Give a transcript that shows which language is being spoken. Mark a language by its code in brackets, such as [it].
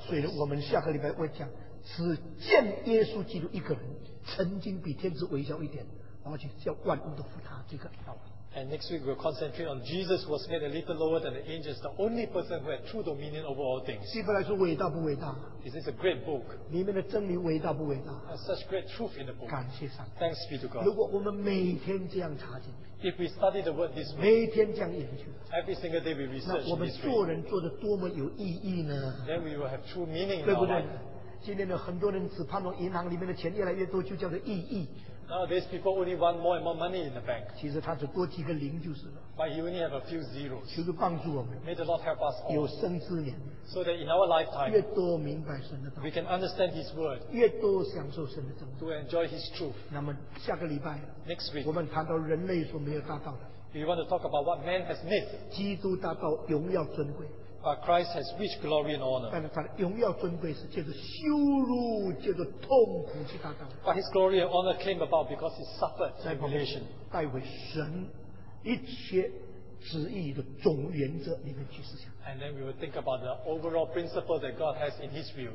[zh] 所以我们下个礼拜会讲只见耶稣基督一个人曾经比天使微小一点而且叫万物都服他这个 [en] And next week we'll concentrate on Jesus was made a little lower than the angels the only person who had true dominion over all things [zh] 希伯来书伟大不伟大 [en] Is this a great book [zh] 里面的真理伟大不伟大 [en] Such great truth in the book [zh] 感谢上帝 [en] Thanks be to God [zh] 如果我们每天这样查经 [en] If we study the word this way [zh] 每天这样研究 [en] Every single day we research this way [zh] 那我们做人做得多么有意义呢 [en] Then we will have true meaning [zh] 对不对今天有很多人只盼望银行里面的钱越来越多就叫做意义 [en] Nowadays, people only want more and more money in the bank. [zh] 其实他只多几个零就是了。 [en] But you only have a few zeros. [zh] 求主帮助我们。 [en] May the Lord help us all. [zh] 有生之年。 [en] So that in our lifetime, [zh] 越多明白神的道。 [en] We can understand His word. [zh] 越多享受神的真理。 [en] To enjoy His truth. [zh] 那么下个礼拜。 [en] Next week. [zh] 我们谈到人类所没有达到的。 [en] We want to talk about what man has missed. [zh] 基督达到荣耀尊贵。 [en] But Christ has reached glory and honor. [zh] 但是他的荣耀尊贵是借着羞辱，借着痛苦去达到。 [en] But his glory and honor came about because he suffered tribulation. [zh] 带回神一切旨意的总原则里面去思想。 [en] And then we will think about the overall principle that God has in His view.